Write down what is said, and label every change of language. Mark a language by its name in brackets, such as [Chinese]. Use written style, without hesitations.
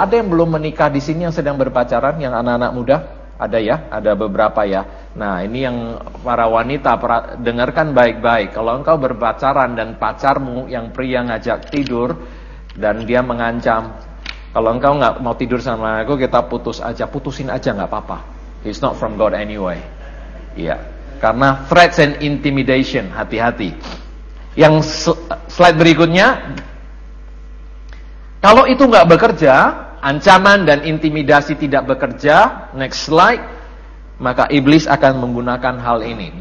[Indonesian] Ada yang belum menikah di sini yang sedang berpacaran, yang anak-anak muda? Ada ya, ada beberapa ya. Nah, ini yang para wanita, dengarkan baik-baik. Kalau engkau berpacaran dan pacarmu yang pria ngajak tidur dan dia mengancam, kalau engkau gak mau tidur sama aku, kita putus aja. Putusin aja, gak apa-apa. [English] He's not from God anyway. [Indonesian] Iya. Karena [English] threats and intimidation. [Indonesian] Hati-hati. Yang slide berikutnya. Kalau itu gak bekerja, ancaman dan intimidasi tidak bekerja, [English] next slide, [Indonesian] maka iblis akan menggunakan hal ini.